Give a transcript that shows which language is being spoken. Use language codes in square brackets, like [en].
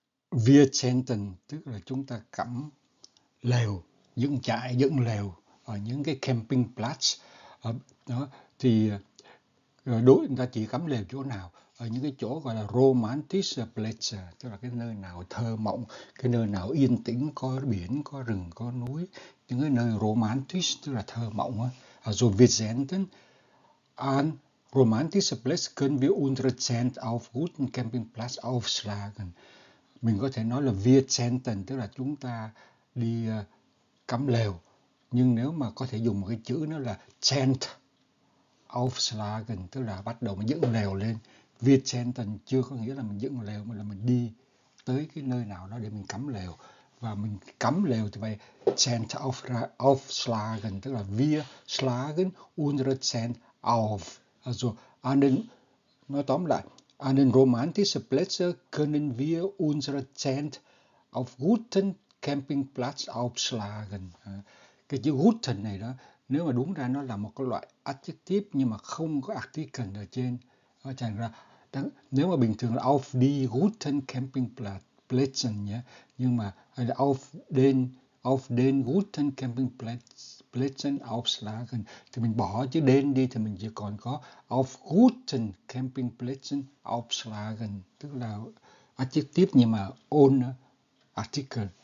[vi] Wir zelten, tức là chúng ta cắm lều, dựng trại, dựng lều ở những cái camping place. Đó, thì đối người ta chỉ cắm lều chỗ nào? Ở những cái chỗ gọi là romantic place, tức là cái nơi nào thơ mộng, cái nơi nào yên tĩnh, có biển, có rừng, có núi. Những cái nơi romantic, tức là thơ mộng. [de] Rồi wir zelten an romantic place können wir unsere Zelt auf guten camping place aufschlagen. [vi] Mình có thể nói là wir zelten, tức là chúng ta đi cắm lều. Nhưng nếu mà có thể dùng một cái chữ nó là zelt aufschlagen, tức là bắt đầu mình dựng lều lên. Wir zelten chưa có nghĩa là mình dựng lều, mà là mình đi tới cái nơi nào đó để mình cắm lều. và mình cắm lều thì vậy Zelt aufschlagen, tức là [de] wir schlagen unsere Zelt auf. Also an den, [vi] nói tóm lại, [de] an den romantischen Plätzen können wir unsere Zelt auf guten Campingplatz aufschlagen. [vi] Cái chữ guten này đó, nếu mà đúng ra nó là một cái loại adjective nhưng mà không có artikel ở trên. Nó thành ra, nếu mà bình thường là [de] auf die guten Campingplätzen [vi] nhé, nhưng mà hay là [de] auf den guten Campingplätzen aufschlagen, [vi] thì mình bỏ chữ den đi thì mình chỉ còn có [de] auf guten Campingplätzen aufschlagen, [vi] tức là adjective nhưng mà ohne Artikel.